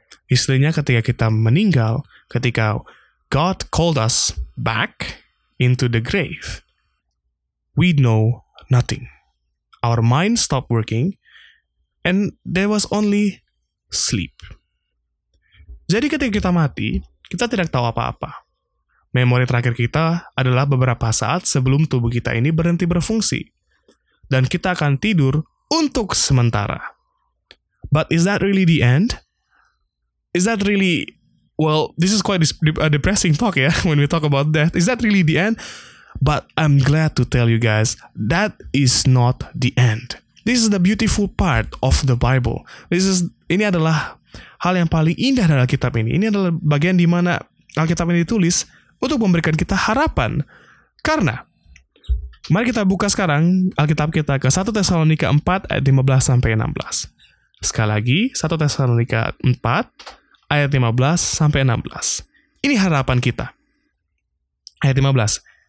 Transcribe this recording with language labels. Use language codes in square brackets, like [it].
[id] Istilahnya ketika kita meninggal, ketika [en] God called us back into the grave, we know nothing. Our mind stopped working, and there was only sleep. [id] Jadi ketika kita mati, kita tidak tahu apa-apa. Memori terakhir kita adalah beberapa saat sebelum tubuh kita ini berhenti berfungsi, dan kita akan tidur untuk sementara. [en] But is that really the end? Is that really, well, this is quite a depressing talk, yeah, when we talk about death. Is that really the end? But I'm glad to tell you guys, that is not the end. This is the beautiful part of the Bible. [id] Ini adalah hal yang paling indah dari Alkitab ini. Ini adalah bagian di mana Alkitab ini ditulis untuk memberikan kita harapan. Karena, mari kita buka sekarang Alkitab kita ke 1 Tesalonika 4 ayat 15-16. Sekali lagi, 1 Tesalonika 4 ayat 15-16. Ini harapan kita. Ayat 15.